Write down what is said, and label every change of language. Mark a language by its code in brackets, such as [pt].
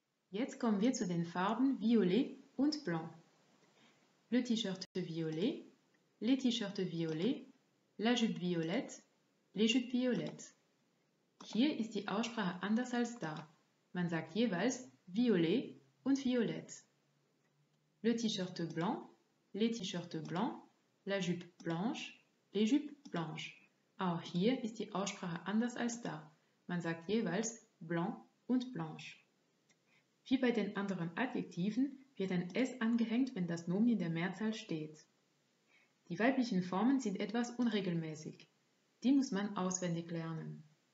[de] Jetzt kommen wir zu den Farben Violet und Blanc. [fr] Le T-shirt violet, les T-shirts violets. La jupe violette, les jupes violettes. [de] Hier ist die Aussprache anders als da. Man sagt jeweils violet und violette. [fr] Le t-shirt blanc, les t-shirts blancs. La jupe blanche, les jupes blanches. [de] Auch hier ist die Aussprache anders als da. Man sagt jeweils blanc und blanche. Wie bei den anderen Adjektiven wird ein S angehängt, wenn das Nomen in der Mehrzahl steht. Die weiblichen Formen sind etwas unregelmäßig. Die muss man auswendig lernen.